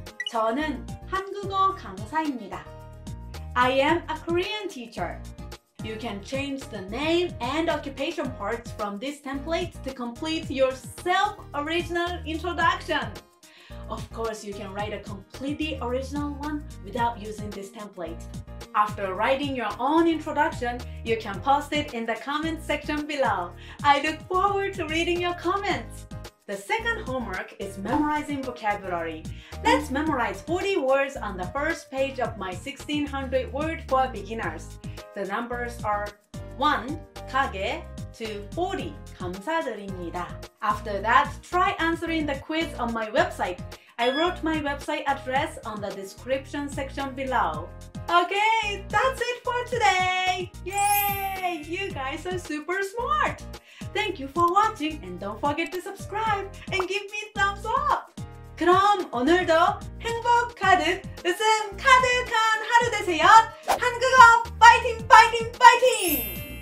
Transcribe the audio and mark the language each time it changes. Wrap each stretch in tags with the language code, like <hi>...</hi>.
<ko>저는 한국어 강사입니다.</ko> <en>I am a Korean teacher. You can change the name and occupation parts from this template to complete your self-original introduction. Of course, you can write a completely original one without using this template. After writing your own introduction, you can post it in the comments section below. I look forward to reading your comments. The second homework is memorizing vocabulary. Let's memorize 40 words on the first page of my 1600 word for beginners. The numbers are 1, 가게, to 40, 감사드립니다. After that, try answering the quiz on my website. I wrote my website address on the description section below. Okay, that's it for today! Yay! You guys are super smart! Thank you for watching and don't forget to subscribe and give me thumbs up!</en> <ko>그럼 오늘도 행복 가득 웃음 가득한 하루 되세요! 한국어 파이팅 파이팅 파이팅!</ko>